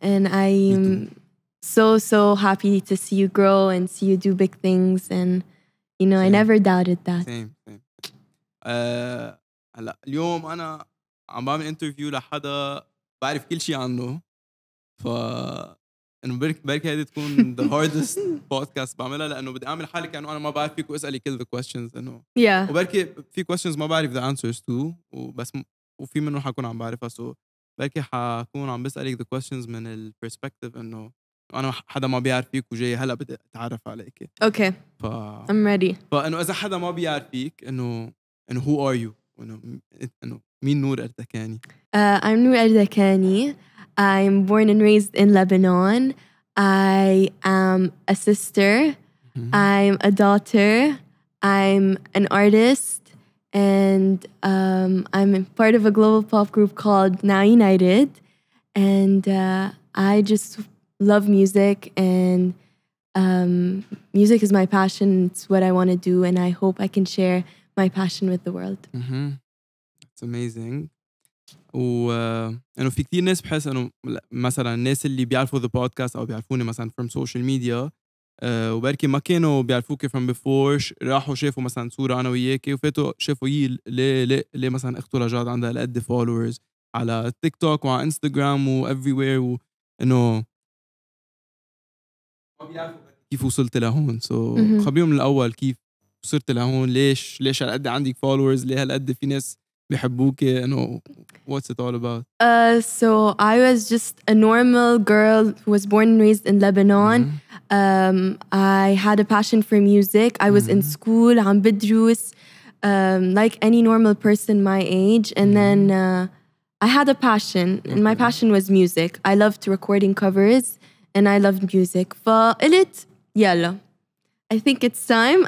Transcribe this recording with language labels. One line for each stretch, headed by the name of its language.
English: And I'm so, so happy to see you grow and see you do big things. And, you know, same. I never doubted that. Same. Today, I'm doing an interview with someone who knows everything about him. So...
Arabic: انه بلك هيدي تكون
English: the hardest podcast
Arabic: بعملها لانه بدي اعمل حالي كانه انا ما بعرف فيك واسالي كل
English: the questions
Arabic: انه
English: yeah.
Arabic: وبلك في questions ما بعرف
English: the answers to
Arabic: وبس وفي منهم حكون عم بعرفها سو بلك حكون عم بسالك
English: the questions
Arabic: من ال perspective انه انا حدا ما بيعرف فيك وجاي هلا بدي اتعرف عليك اوكي ف
English: I'm ready
Arabic: فانه اذا حدا ما بيعرف فيك انه
English: who are you
Arabic: انه مين نور أردكاني
English: I'm نور أردكاني I'm born and raised in Lebanon. I am a sister. Mm-hmm. I'm a daughter. I'm an artist. And I'm part of a global pop group called Now United. And I just love music. And music is my passion. It's what I want to do. And I hope I can share my passion with the world. Mm-hmm. That's amazing.
Arabic: وانه في كثير ناس بحس انه مثلا الناس اللي بيعرفوا
English: the podcast
Arabic: او بيعرفوني مثلا
English: from social media
Arabic: وبركي ما كانوا بيعرفوك
English: from before
Arabic: راحوا شافوا مثلا صورة انا وياك وفاتوا شافوا يي ليه مثلا اختو لجاد عندها لقد followers على تيك توك وعلى انستغرام و
English: everywhere
Arabic: و انه ما بيعرفوا كيف وصلت لهون so خبريهم الاول كيف وصلت لهون ليش هالقد عندك followers ليه هالقد في ناس بيحبوك انه
English: what's it all about so I was just a normal girl who was born and raised in Lebanon mm-hmm. I had a passion for music I was mm-hmm. in school
Arabic: عم بدرس
English: like any normal person my age and mm-hmm. then I had a passion okay. and my passion was music I loved recording covers and I loved music
Arabic: فقلت يلا
English: I think it's time.